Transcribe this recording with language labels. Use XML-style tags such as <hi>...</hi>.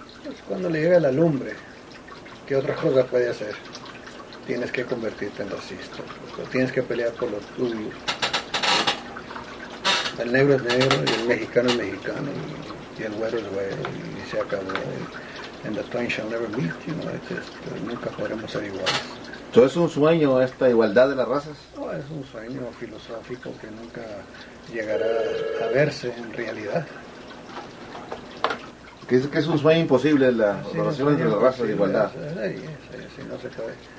<es>Pues cuando le llega la lumbre, ¿qué otra cosa puede hacer? Tienes que convertirte en racista. Tienes que pelear por lo tuyo. El negro es negro y el mexicano es mexicano y el güero es güero y se acabó.</es> <en>And the twain shall never meet, you know.</en> <es>Nunca podremos ser iguales. ¿Todo es un sueño esta igualdad de las razas? No, es un sueño filosófico que nunca llegará a verse en realidad. ¿Que es un sueño imposible la relación entre las razas de igualdad? Sí, no se puede.</es>